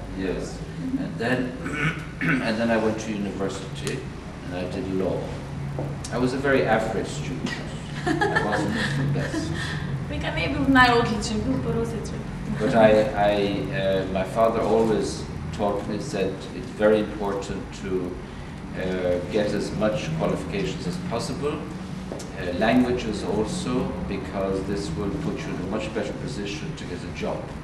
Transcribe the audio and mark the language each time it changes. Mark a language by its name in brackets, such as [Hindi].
[English] Yes, and then I went to university and I did law. I was a very average student. I wasn't the best. [Macedonian] Мика не бил најодличен, бил поросечен. [English] But my father always taught me that it's very important to get as much qualifications as possible. Languages also, because this will put you in a much better position to get a job.